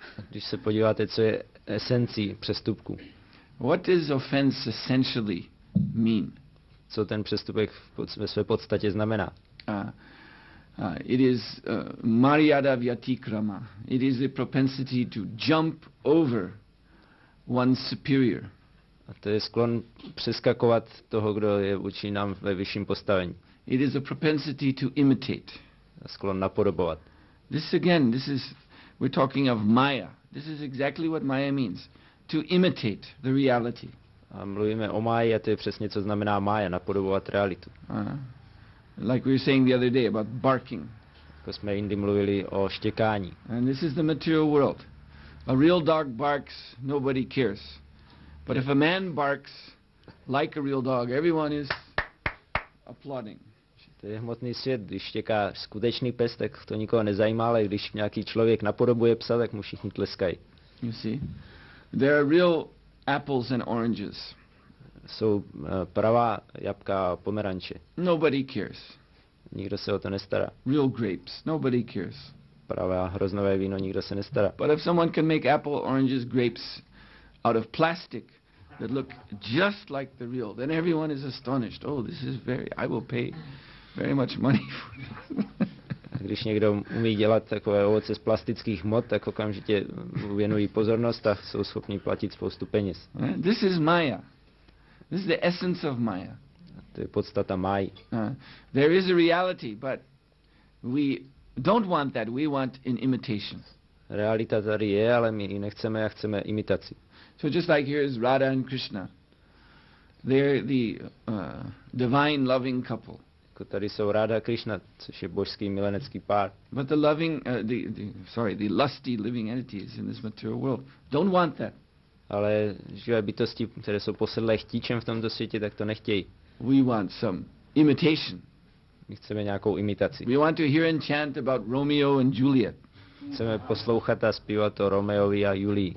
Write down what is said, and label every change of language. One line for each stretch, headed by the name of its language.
Czech: Když se podíváte, co je esencí přestupku.
English: What does offense essentially mean?
Czech: Co ten přestupek ve své podstatě znamená?
English: It is mariyada vyatikrama. It is the propensity to jump over one's superior.
Czech: A to je sklon přeskakovat toho, kdo je vůči nám ve vyšším postavení.
English: It is a propensity to imitate.
Czech: A sklon napodobovat.
English: This again, this is, we're talking of maya. This is exactly what maya means. To imitate the reality.
Czech: A mluvíme o máji a to je přesně, co znamená mája, napodobovat realitu.
English: Like we were saying the other day about barking.
Czech: Jako jsme jindy mluvili o štěkání.
English: And this is the material world. A real dog barks, nobody cares. But if a man barks like a real dog, everyone is applauding.
Czech: To je hmotný svět, když štěká skutečný pes, tak to nikoho nezajímá, ale když nějaký člověk napodobuje psa, tak mu všichni tleskají.
English: You see? There are real apples and oranges.
Czech: Jsou pravá jabka a pomeranče.
English: Nobody cares.
Czech: Nikdo se o to nestará.
English: Real grapes. Nobody cares.
Czech: Pravá hroznové víno, nikdo se nestará.
English: But if someone can make apple, oranges, grapes out of plastic that look just like the real, then everyone is astonished. Oh, this is very, I will pay very much money for this.
Czech: Když někdo umí dělat takové ovoce z plastických hmot, tak okamžitě věnují pozornost a jsou schopni platit spoustu peněz.
English: This is Maya. This is the essence of Maya.
Czech: To je podstata Mayi.
English: There is a reality, but we don't want that. We want an imitation.
Czech: Realita tady je, ale my ji nechceme a chceme imitaci.
English: So just like here is Radha and Krishna. They're the divine loving couple.
Czech: Jako tady jsou Radha a Krishna, což je božský milenecký pár.
English: But the loving, the lusty living entities in this material world don't want that.
Czech: Ale živé bytosti, které jsou posedlé chtíčem v tomto světě, tak to nechtějí.
English: We want some imitation.
Czech: My chceme nějakou imitaci.
English: We want to hear and chant about Romeo and Juliet.
Czech: Chceme poslouchat a zpívat o Romeovi a Julii.